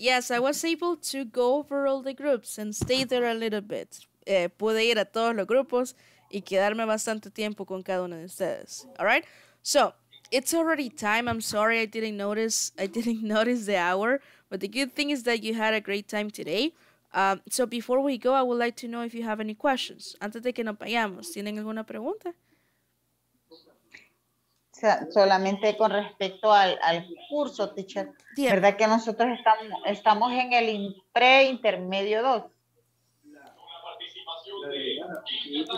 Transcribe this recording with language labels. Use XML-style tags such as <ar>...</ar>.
<en>Yes, I was able to go over all the groups and stay there a little bit.</en> <es>Pude ir a todos los grupos y quedarme bastante tiempo con cada uno de ustedes.</es> <en>All right. So it's already time. I'm sorry I didn't notice the hour. But the good thing is that you had a great time today. So before we go, I would like to know if you have any questions.</en> <es>Antes de que nos vayamos, ¿tienen alguna pregunta? Solamente con respecto al curso, teacher. Yeah. ¿Verdad que nosotros estamos en el pre-intermedio 2?</es>